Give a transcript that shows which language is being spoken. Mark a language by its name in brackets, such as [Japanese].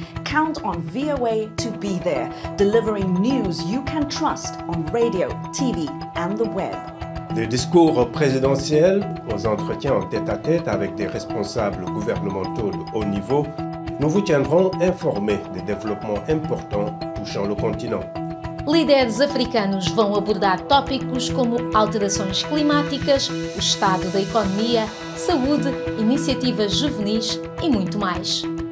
[English] Count on VOA to be there, delivering news you can trust on radio, TV, and the web. [French] Le discours présidentiel aux entretiens en tête-à-tête avec des responsables gouvernementaux de haut niveau, nous vous tiendrons informés des développements importants touchant le continent. [Portuguese] Líderes africanos vão abordar tópicos como alterações climáticas, o estado da economia, saúde, iniciativas juvenis e muito mais.